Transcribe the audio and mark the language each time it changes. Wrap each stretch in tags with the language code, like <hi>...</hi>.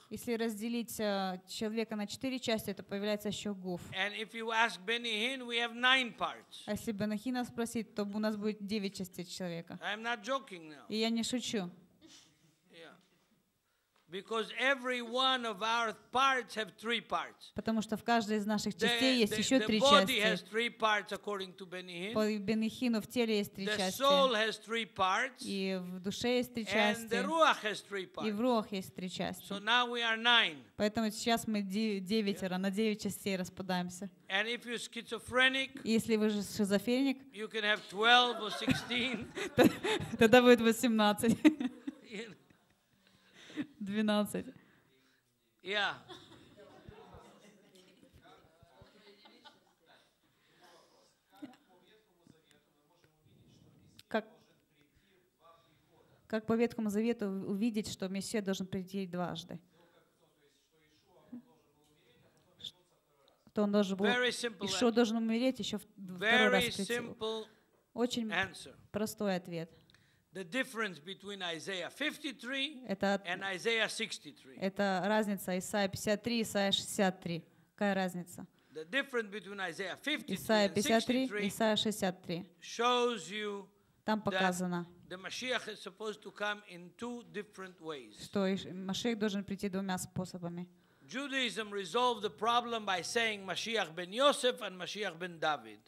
<ru>Если разделить человека на четыре части, то появляется еще гуф.</ru> <en>And if you ask Benny Hinn, we have nine parts.</en> <ru>А если Бенни Хинна спросить, то у нас будет девять частей человека.</ru> <en>I'm not joking now.</en> <ru>И я не шучу.</ru> <en>Because every one of our parts have three parts.</en> <ru>Потому что в каждой из наших частей есть ещё три части.</ru> <en>The body has three parts according to Benny Hinn.</en> <ru>По Бенни Хинну в теле есть три части.</ru> <en>The soul has three parts.</en> <ru>И в душе есть три части.</ru> <en>And the ruach has three parts.</en> <ru>И в рух есть три части.</ru> <en>So now we are nine.</en> <ru>Поэтому сейчас мы девятеро, на девять частей распадаемся.</ru> <en>And if you're schizophrenic,</en> <ru>если вы шизофреник,</ru> <en>you can have 12 or 16.</en> <ru>Тогда будет 18.</ru> <en>12. Yeah.</en> <ru>Как по Ветхому Завету увидеть, что Мессия должен прийти дважды? Что он должен был еще должен умереть еще второй раз прийти? Очень простой ответ.</ru> <en>The difference between Isaiah 53 and Isaiah 63.</en> <ru>Это разница Исаия 53 и Исаия 63. Какая разница?</ru> <en>The difference between Isaiah 53 and</en> <ru>Исаия 63</ru> <en>shows you</en> <ru>там показано.</ru> <en>The Mashiach is supposed to come in two different ways.</en> <ru>Что Машиах должен прийти двумя способами.</ru> <en>Judaism resolved the problem by saying Mashiach ben Yosef and Mashiach ben David.</en>